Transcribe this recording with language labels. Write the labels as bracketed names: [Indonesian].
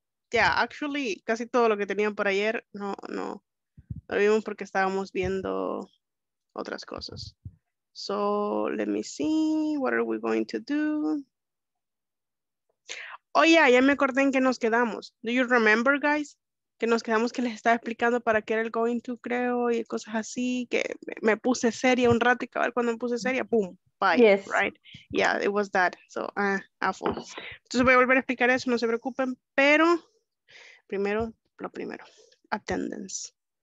[English] Yeah, actually, [Spanish] casi todo lo que tenían por ayer. No. Lo vimos porque estábamos viendo otras cosas. [English] So, let me see, what are we going to do? Oh yeah, [Spanish] ya me acordé en que nos quedamos. [English] Do you remember, guys? [Spanish] Que nos quedamos que les estaba explicando para qué era el going to, creo, y cosas así, que me puse seria un rato y cabal cuando me puse seria, boom, bye. [English] Yes. Right? Yeah, it was that. So, awful. [Spanish] Entonces voy a volver a explicar eso, no se preocupen, pero primero, lo primero, attendance.